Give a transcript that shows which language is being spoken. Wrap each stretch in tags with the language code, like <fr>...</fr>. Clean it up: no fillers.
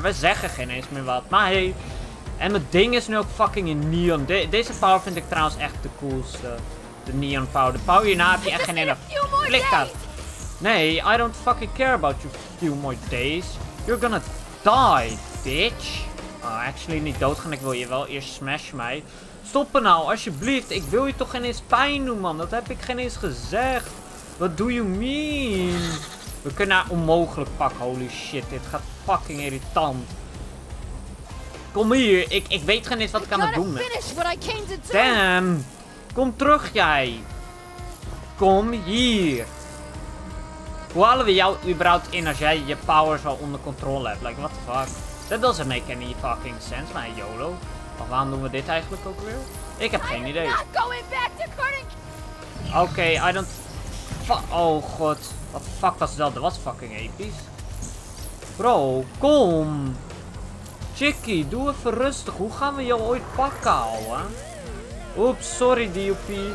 <nl>We zeggen geen eens meer wat. Maar hey. En mijn ding is nu ook fucking in neon. Deze power vind ik trouwens echt de coolste. De neon power. De power hierna heb je echt geen hele flik uit.</nl> <en>Nee, I don't fucking care about you few more days. You're gonna die, bitch.</en> <nl>Oh, actually niet doodgaan. Ik wil je wel eerst smash mij. Stoppen nou, alsjeblieft. Ik wil je toch geen eens pijn doen, man. Dat heb ik geen eens gezegd.</nl> <en>What do you mean?</en> <nl>We kunnen haar onmogelijk pakken. Holy shit, dit gaat fucking irritant. Kom hier. Ik weet geen eens wat ik aan het doen ben. Damn. Kom terug, jij. Kom hier. Hoe halen we jou überhaupt in als jij je powers al onder controle hebt?</nl> <en>Like, what the fuck? That doesn't make any fucking sense, maar YOLO.</en> <nl>Maar waarom doen we dit eigenlijk ook weer? Ik heb geen idee.</nl> <en>Oké, okay, I don't... Oh god. What the fuck was dat?</en> <nl>Dat was fucking episch. Bro, kom. Chicky, doe even rustig. Hoe gaan we jou ooit pakken, ouwe? Oeps, sorry, D.O.P.</nl>